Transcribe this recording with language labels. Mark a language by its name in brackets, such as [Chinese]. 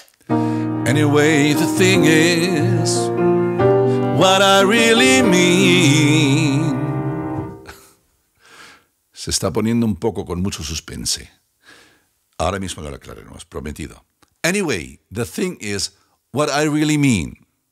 [English] Anyway, the thing is, what I really mean. [Spanish] Se está poniendo un poco con mucho suspense. Ahora mismo lo aclararemos, prometido. [English] Anyway, the thing is, what I really mean.